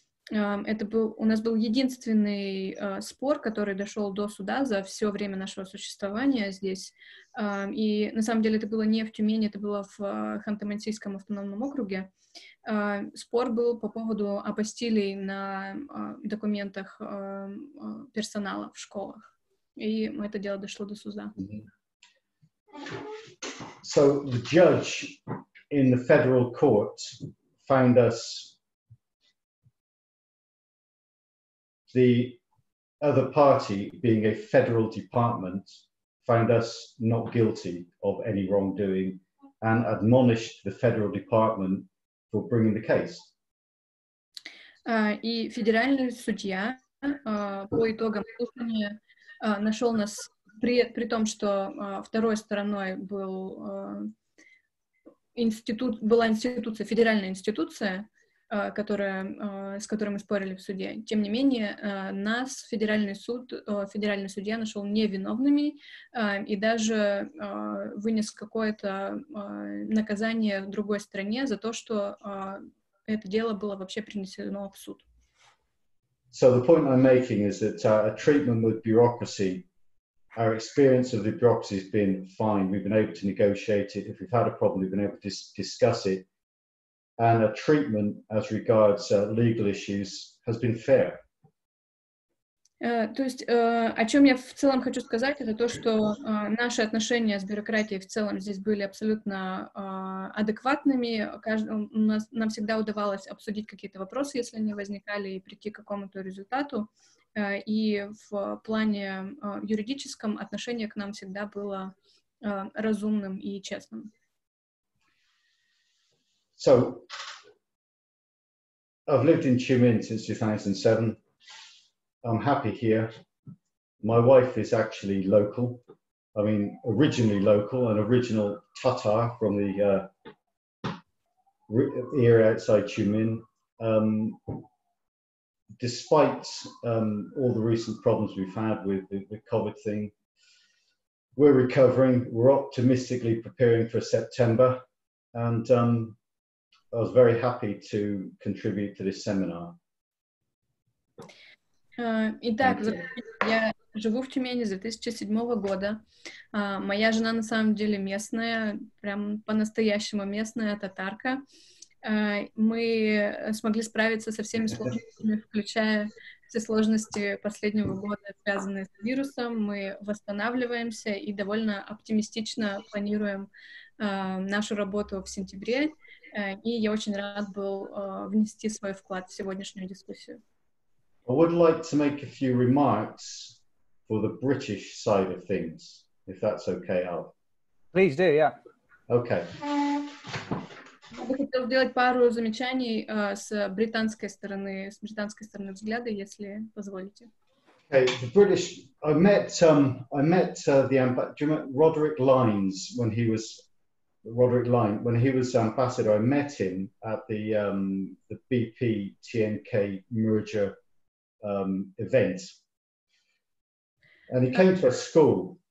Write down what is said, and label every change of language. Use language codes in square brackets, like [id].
[ru] У нас был единственный спор, который дошел до суда за все время нашего существования здесь. И на самом деле это было не в Тюмени, это было в Ханты-Мансийском автономном округе. Спор был по поводу апостилей на документах персонала в школах. И это дело дошло до суда. Mm-hmm. [en] So the judge in the federal court found us the other party, being a federal department, found us not guilty of any wrongdoing and admonished the federal department for bringing the case. [ru] И федеральный судья по итогам слушания нашел нас, при том, что второй стороной был институт, была институция, федеральная институция, с которой мы спорили в суде. Тем не менее, нас федеральный судья нашел невиновными и даже вынес какое-то наказание в другой стране за то, что это дело было вообще принесено в суд. [en] So the point I'm making is that a treatment with bureaucracy, our experience of the bureaucracy has been fine. We've been able to negotiate it. If we've had a problem, we've been able to discuss it. And a treatment as regards legal issues has been fair. [ru] То есть, о чем я в целом хочу сказать, это то, что наши отношения с бюрократией в целом здесь были абсолютно адекватными. Нам всегда удавалось обсудить какие-то вопросы, если они возникали, и прийти к какому-то результату. И в плане юридическом отношение к нам всегда было разумным и честным. [en] So, I've lived in Tumen since 2007. I'm happy here. My wife is actually local. I mean, originally local, an original Tatar from the area outside Tumen. Despite all the recent problems we've had with the COVID thing, we're recovering. We're optimistically preparing for September. And I was very happy to contribute to this seminar. [ru] Итак, я живу в Тюмени с 2007 года. Моя жена на самом деле местная, прям по-настоящему местная татарка. Мы смогли справиться со всеми сложностями, включая все сложности последнего года, связанные с вирусом. Мы восстанавливаемся и довольно оптимистично планируем нашу работу в сентябре. И я очень рад был внести свой вклад в сегодняшнюю дискуссию. [en] I would like to make a few remarks for the British side of things, if that's okay, Al. Please do, yeah. Okay. [ru] Я бы хотел сделать пару замечаний с британской стороны, с британской стороны взгляда, если позволите. [en] Okay, the British. I met Roderick Lines when he was ambassador. I met him at the BP TNK merger event, and he came to a school.